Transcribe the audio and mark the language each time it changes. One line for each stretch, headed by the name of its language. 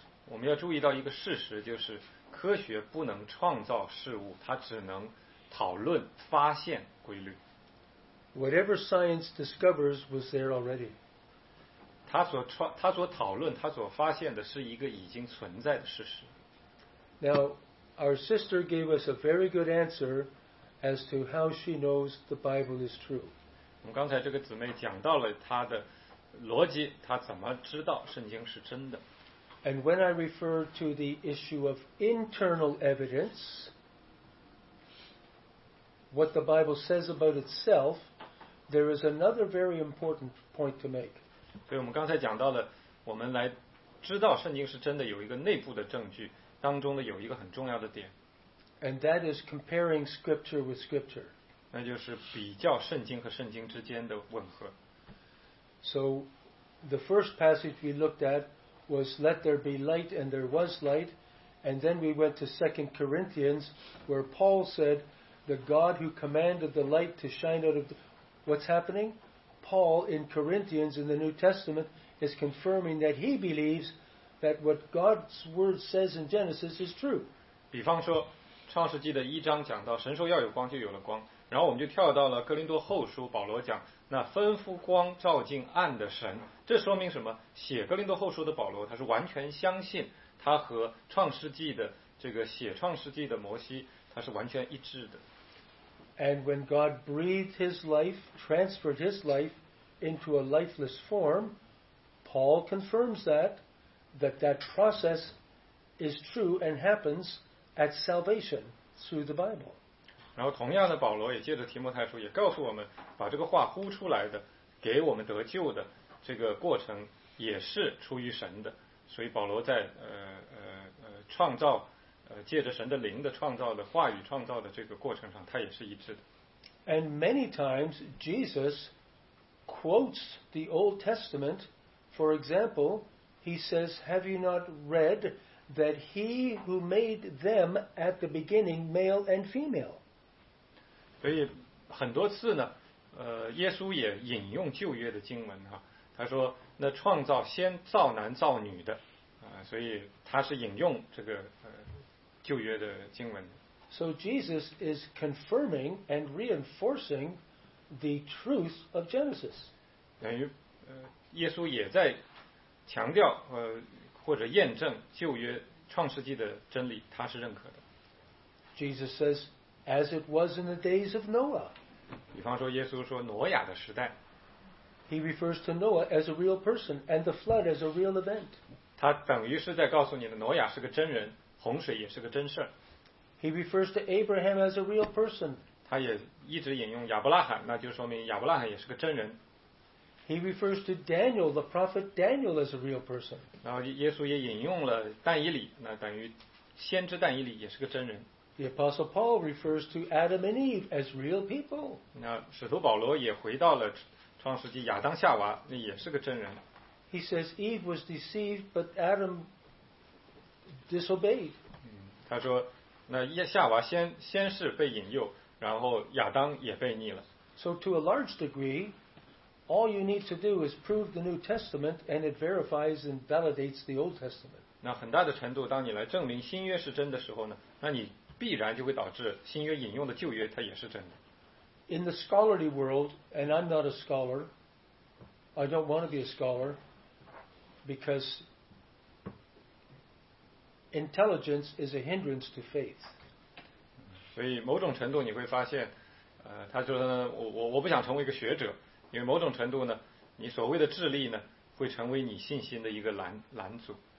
Chinese: 我们要注意到一个事实，就是科学不能创造事物，它只能讨论发现规律。
English: Whatever science discovers was there already.
Chinese: 它所讨论，它所发现的是一个已经存在的事实。
English: Now, our sister gave us a very good answer as to how she knows the Bible is true.
Chinese: 我们刚才这个姊妹讲到了她的逻辑，她怎么知道圣经是真的。
English: And when I refer to the issue of internal evidence, what the Bible says about itself, there is another very important point to make.
Chinese: 所以我们刚才讲到了，我们来知道圣经是真的，有一个内部的证据，当中的有一个很重要的点。
English: And that is comparing scripture with scripture.
Chinese: 那就是比较圣经和圣经之间的吻合。
English: So the first passage we looked at was let there be light and there was light. And then we went to 2 Corinthians where Paul said the God who commanded the light to shine out of the... What's happening? Paul in Corinthians in the New Testament is confirming that he believes that what God's word says in Genesis is true.
Chinese: 比方说创世纪的一章讲到神说要有光就有了光，然后我们就跳到了哥林多后书，保罗讲那吩咐光照进暗的神，这说明什么？写哥林多后书的保罗他是完全相信他和创世纪的这个写创世纪的摩西他是完全一致的。
English: And when God breathed his life, transferred his life into a lifeless form, Paul confirms that process is true and happens at salvation through the Bible.
Chinese: 然后同样的，保罗也借着提摩太书也告诉我们，把这个话呼出来的，给我们得救的这个过程也是出于神的。所以保罗在创造借着神的灵的创造的话语创造的这个过程上，他也是一致的。
English: And many times Jesus quotes the Old Testament. For example, he says, "Have you not read that he who made them at the beginning, male and female?"
Chinese: 所以很多次呢，耶稣也引用旧约的经文哈，他说那创造先造男造女的，所以他是引用这个旧约的经文。
English: So Jesus is confirming and reinforcing the truth of Genesis.
Chinese: 等于耶稣也在强调或者验证旧约创世纪的真理，他是认可的。
English: Jesus says, as it was in the days of Noah.
Chinese: 比方说耶稣说挪亚的时代。
English: He refers to Noah as a real person and the flood as a real event.
Chinese: 他等于是在告诉你的，挪亚是个真人，洪水也是个真事。
English: He refers to Abraham as a real person.
Chinese: 他也一直引用亚伯拉罕，那就说明亚伯拉罕也是个真人。
English: He refers to Daniel, the prophet Daniel, as a real person.
Chinese: 然后耶稣也引用了但以理，那等于先知但以理也是个真人。
English: The Apostle Paul refers to Adam and Eve as real people.
Chinese: 那使徒保罗也回到了创世纪亚当夏娃，那也是个真人。
English: He says Eve was deceived, but Adam disobeyed.
Chinese: 他说，那夏娃先是被引诱，然后亚当也被逆了。
English: So to a large degree, all you need to do is prove the New Testament, and it verifies and validates the Old Testament.
Chinese: 那很大的程度，当你来证明新约是真的时候呢，那你必然就会导致新约引用的旧约它也是真的。
English: In the scholarly world, and I'm not a scholar, I don't want to be a scholar, because intelligence is a hindrance to faith.
Chinese: 所以某种程度你会发现，他说呢，我不想成为一个学者，因为某种程度呢，你所谓的智力呢，会成为你信心的一个拦阻。